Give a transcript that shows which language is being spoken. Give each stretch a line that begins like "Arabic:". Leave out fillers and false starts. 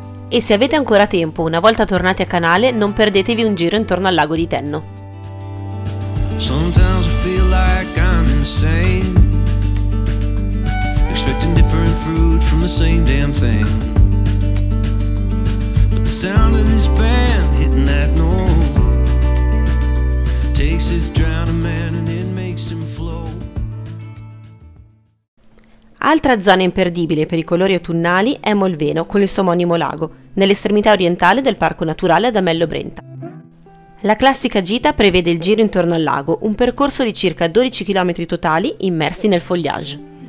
Italian: E se avete ancora tempo, una volta tornati a canale, non perdetevi un giro intorno al lago di Tenno.
English: Sometimes I feel like I'm insane. Expecting different fruit from the same damn thing. But the sound of this band hitting that note takes his drowning man and it makes him flow.
Italian: Altra zona imperdibile per i colori autunnali è Molveno, con il suo omonimo lago, nell'estremità orientale del Parco Naturale ad Amello Brenta. La classica gita prevede il giro intorno al lago, un percorso di circa 12 km totali immersi nel foliage.